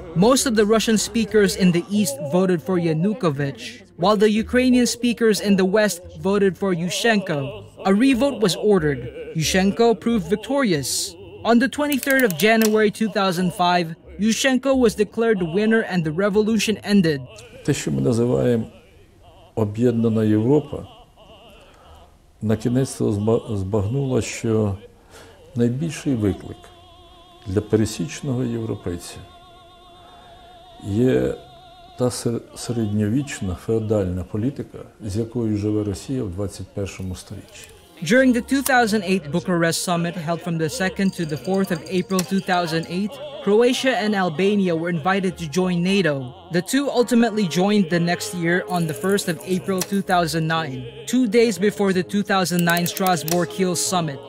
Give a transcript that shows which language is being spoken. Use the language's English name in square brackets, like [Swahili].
[English] Most of the Russian speakers in the East voted for Yanukovych, while the Ukrainian speakers in the West voted for Yushchenko. A revote was ordered. Yushchenko proved victorious. On the 23rd of January 2005, Yushchenko was declared the winner and the revolution ended. [Ukrainian] Те, що ми називаємо об'єднана Європа, на кінець-то збагнула, що найбільший виклик для пересічного європейця є та середньовічна феодальна політика, з якою живе Росія в 21-му сторіччі. [English] During the 2008 Bucharest summit held from the 2nd to the 4th of April 2008, Croatia and Albania were invited to join NATO. The two ultimately joined the next year on the 1st of April 2009, 2 days before the 2009 Strasbourg-Kiel summit.